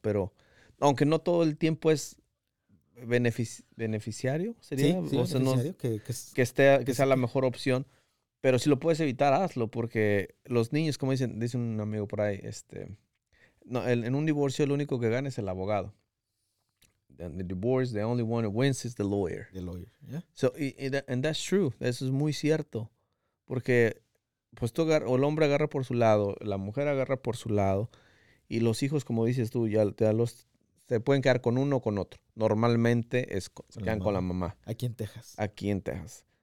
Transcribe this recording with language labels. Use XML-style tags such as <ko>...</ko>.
<es>Pero, aunque no todo el tiempo es beneficiario, sería, sí, o sea, beneficiario, que sea la mejor opción. Pero si lo puedes evitar, hazlo, porque los niños, como dice un amigo por ahí, en un divorcio el único que gana es el abogado.</es> <en>In the divorce, the only one who wins is the lawyer. The lawyer, yeah. So, and that's true,</en> <es>eso es muy cierto, porque pues el hombre agarra por su lado, la mujer agarra por su lado, y los hijos, como dices tú, se pueden quedar con uno o con otro. Normalmente se quedan con la mamá. Aquí en Texas,</es>